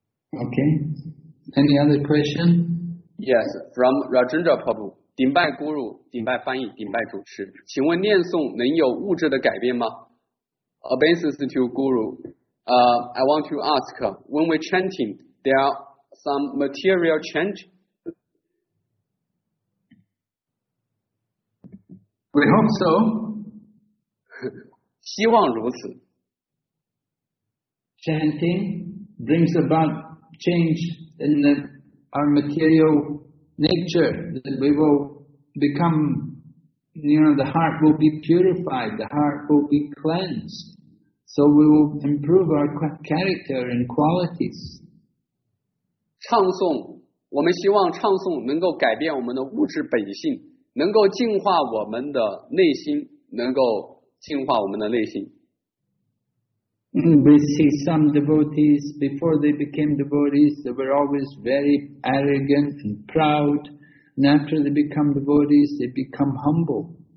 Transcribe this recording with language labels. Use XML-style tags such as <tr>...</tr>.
<en>Okay. Any other question? Yes, from Rajendra Prabhu.</en> <zh>顶拜 Guru, 顶拜 翻译, 顶拜 主持, 请问念诵能有物质的改变吗?</zh> <en>Obeisance to Guru. I want to ask, when we're chanting, there are some material change? We hope so.</en> <zh>希望如此。</zh> <en>Chanting brings about change in our material nature, that we will become, you know, the heart will be purified, the heart will be cleansed, so we will improve our character and qualities.</en> <zh>唱诵, 我们希望唱诵能够改变我们的物质本性, 能够净化我们的内心, 能够净化我们的内心。</zh> <en>We see some devotees, before they became devotees, they were always very arrogant and proud, and after they become devotees, they become humble.</en>